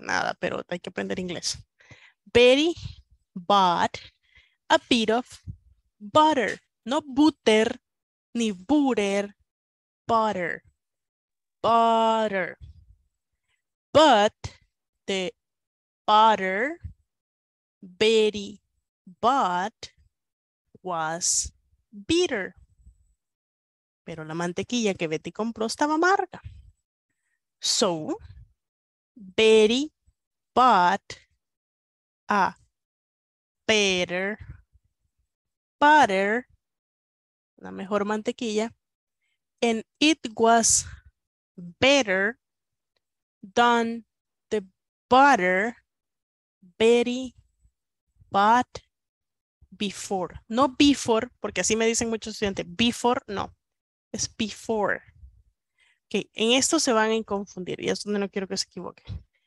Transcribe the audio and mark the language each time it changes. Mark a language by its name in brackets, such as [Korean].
[Spanish] Nada, pero hay que aprender inglés. [English] Betty bought a bit of butter, [Spanish] no butter ni butter, butter. Butter. [English] But the butter Betty bought was bitter. [Spanish] Pero la mantequilla que Betty compró estaba amarga. [English] So, Betty bought a better butter, [Spanish] la mejor mantequilla, [English] and it was better than the butter Betty bought before. [Spanish] No before, porque así me dicen muchos estudiantes, before, no. Es before. Okay, en esto se van a confundir y es donde no quiero que se equivoquen.